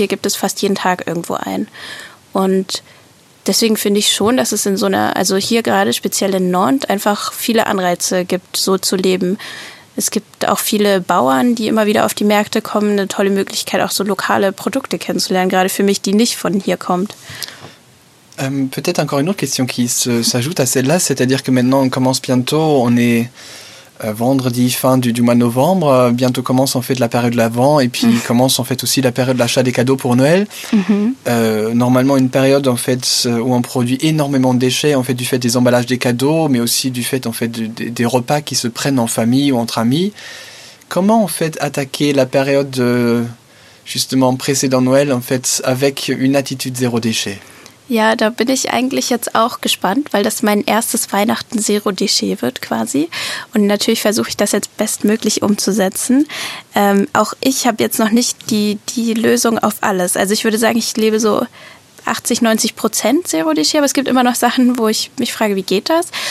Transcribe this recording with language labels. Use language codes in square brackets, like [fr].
[de] Hier gibt es fast jeden Tag irgendwo einen. Und deswegen finde ich schon, dass es in so einer, also hier gerade speziell in Nantes, einfach viele Anreize gibt, so zu leben. Es gibt auch viele Bauern, die immer wieder auf die Märkte kommen. Eine tolle Möglichkeit, auch so lokale Produkte kennenzulernen, gerade für mich, die nicht von hier kommt. [fr] Peut-être encore une autre question qui s'ajoute à celle-là, c'est-à-dire que maintenant on commence bientôt, on est vendredi fin du mois de novembre, bientôt commence en fait la période de l'Avent et puis commence en fait aussi la période de l'achat des cadeaux pour Noël. Normalement une période en fait où on produit énormément de déchets en fait du fait des emballages des cadeaux mais aussi du fait en fait des repas qui se prennent en famille ou entre amis. Comment en fait attaquer la période justement précédant Noël en fait avec une attitude zéro déchet? [de] Ja, da bin ich eigentlich jetzt auch gespannt, weil das mein erstes Weihnachten Zero Déchet wird quasi. Und natürlich versuche ich das jetzt bestmöglich umzusetzen. Auch ich habe jetzt noch nicht die Lösung auf alles. Also ich würde sagen, ich lebe so 80-90% Zero-Déchet, aber es gibt immer noch Sachen, wo ich mich frage, wie geht das?